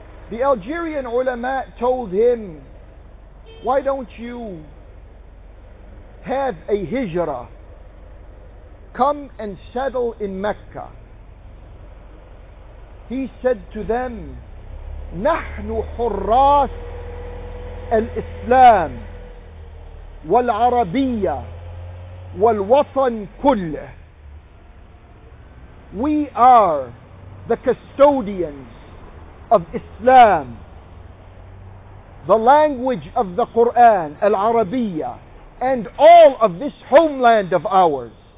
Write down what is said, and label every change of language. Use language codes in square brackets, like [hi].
[en] The Algerian ulama told him, why don't you have a hijrah? Come and settle in Mecca. He said to them, [ar] نحن حراس الإسلام والعربية والوطن كله. [en] We are the custodians of Islam, the language of the Qur'an, Al-Arabiya, and all of this homeland of ours.